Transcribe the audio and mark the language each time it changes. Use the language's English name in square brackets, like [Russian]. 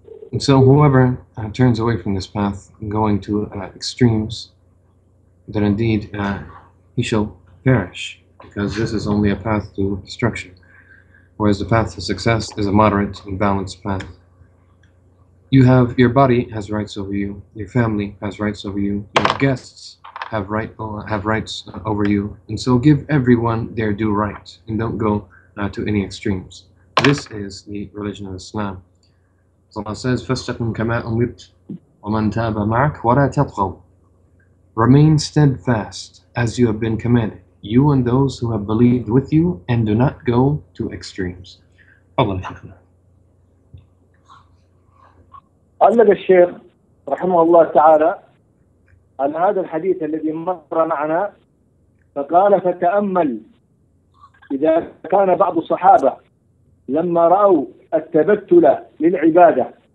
[English] And so whoever turns away from this path and going to extremes, then indeed he shall perish, because this is only a path to destruction, whereas the path to success is a moderate and balanced path. You have, your body has rights over you, your family has rights over you, your guests have rights over you, and so give everyone their due right and don't go to any extremes. This is the religion of Islam. So Allah says, [Arabic] فَاسْتَقِمْ كَمَا أُمِرْتْ وَمَنْ تَابَ مَعَكْ وَلَا تَطْغَوْ. [English] Remain steadfast as you have been commanded, you and those who have believed with you, and do not go to extremes. Allah the Sheikh, rahimahullah ta'ala, [Arabic] أن هذا الحديث الذي مر معنا فقال فتأمل إذا كان بعض الصحابة لما رأوا التبتل للعبادة